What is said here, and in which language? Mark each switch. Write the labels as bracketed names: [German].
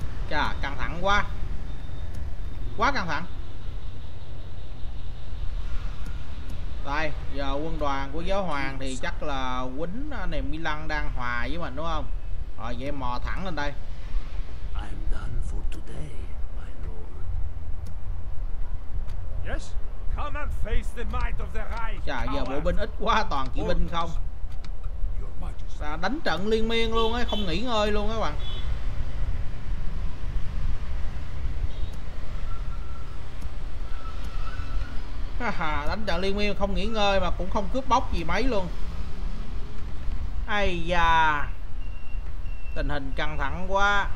[Vietnamese] Chà, căng thẳng quá, quá căng thẳng. Đây giờ quân đoàn của giáo hoàng thì chắc là quýnh này Mi Lăng đang hòa với mình đúng không? Rồi vậy mò thẳng lên đây. [English] I'm done for today, my lord. Yes, come and face the might of the Reich. [Vietnamese] Chà, giờ bộ binh ít quá, toàn kỵ binh không. Chà, đánh trận liên miên luôn ấy, không nghỉ ngơi luôn các bạn. Đánh trận liên miên không nghỉ ngơi mà cũng không cướp bóc gì mấy luôn. Ây da, tình hình căng thẳng quá.